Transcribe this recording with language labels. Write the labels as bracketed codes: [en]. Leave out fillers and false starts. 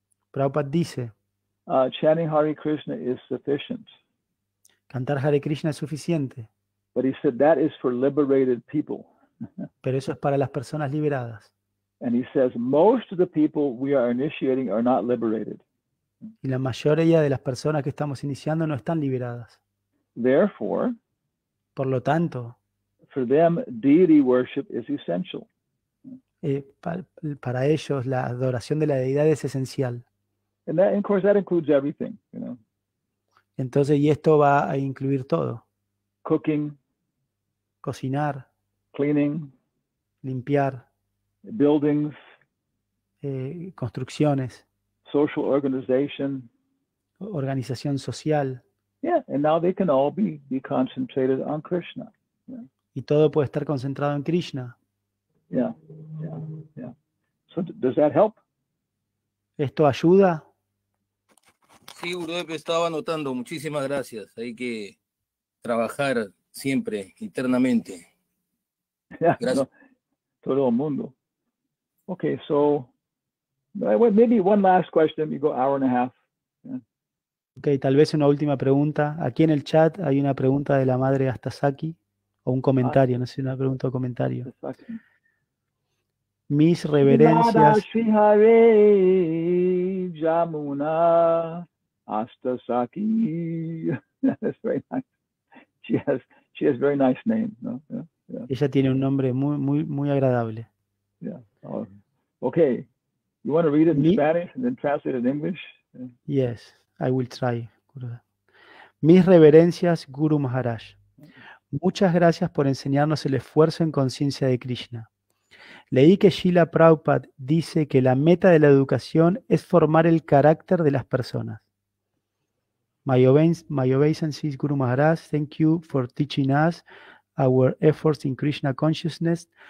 [es] Prabhupada dice. [en] Chanting Hare Krishna is sufficient. [es] Cantar Hare Krishna es suficiente. [en] But he said that is for liberated people. [es] Pero eso es para las personas liberadas. [en] And he says most of the people we are initiating are not liberated. [es] Y la mayoría de las personas que estamos iniciando no están liberadas. [en] Therefore, [es] por lo tanto, [en] for them deity worship is essential. [es] Para ellos la adoración de la deidad es esencial. [en] And that, of course, that includes everything, you know. [es] Entonces, y esto va a incluir todo. [en] Cooking, [es] cocinar, [en] cleaning, [es] limpiar, [en] buildings, [es] construcciones, [en] social organization, [es] organización social. [en] Yeah, and now they can all be concentrated on Krishna. [es] Y todo puede estar concentrado en Krishna. [en] Yeah. So does that help? [es] ¿Esto ayuda? Sí, Gurudev, estaba anotando. Muchísimas gracias. Hay que trabajar siempre, internamente. [en] Yeah, [es] Gracias. no, todo el mundo. [en] Okay, so maybe one last question, you go hour and a half. [es] Ok, tal vez una última pregunta. Aquí en el chat hay una pregunta de la madre Astasaki, o un comentario, no sé si una pregunta o comentario. Mis reverencias. [en] Jamuna Astasaki. That's very nice. She has very nice name, ¿no? [es] Ella tiene un nombre muy, muy, muy agradable. [en] Okay. You want to read it in [es] Mi. [en] Spanish and then translate it in English? Yes. I will try, Guruda. [es] Mis reverencias, [en] Guru Maharaj. [es] Muchas gracias por enseñarnos el esfuerzo en conciencia de Krishna. Leí que Srila Prabhupada dice que la meta de la educación es formar el carácter de las personas. [en] My obeisances, Guru Maharaj, thank you for teaching us our efforts in Krishna consciousness.